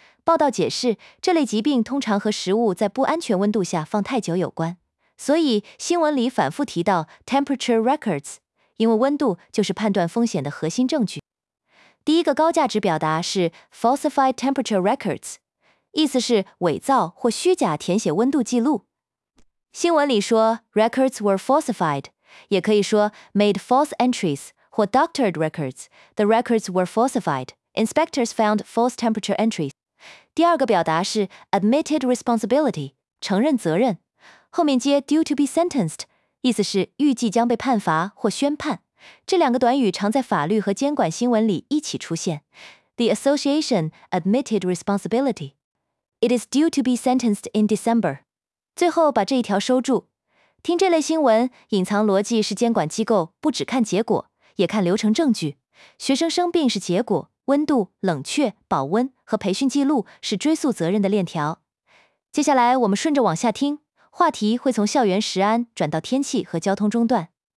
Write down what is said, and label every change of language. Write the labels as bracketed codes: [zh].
[zh] 报道解释，这类疾病通常和食物在不安全温度下放太久有关，所以新闻里反复提到 [en] temperature records， [zh] 因为温度就是判断风险的核心证据。第一个高价值表达是 [en] falsified temperature records， [zh] 意思是伪造或虚假填写温度记录。新闻里说 [en] records were falsified， [zh] 也可以说 [en] made false entries 或 doctored records， the records were falsified， inspectors found false temperature entries。 [zh] 第二个表达是 [en] admitted responsibility， [zh] 承认责任，后面接 [en] due to be sentenced， [zh] 意思是预计将被判罚或宣判。这两个短语常在法律和监管新闻里一起出现， [en] The association admitted responsibility， It is due to be sentenced in December。 [zh] 最后把这一条收住。听这类新闻隐藏逻辑是监管机构不只看结果，也看流程证据。学生生病是结果，温度、冷却、保温和培训记录是追溯责任的链条。接下来我们顺着往下听，话题会从校园食安转到天气和交通中断。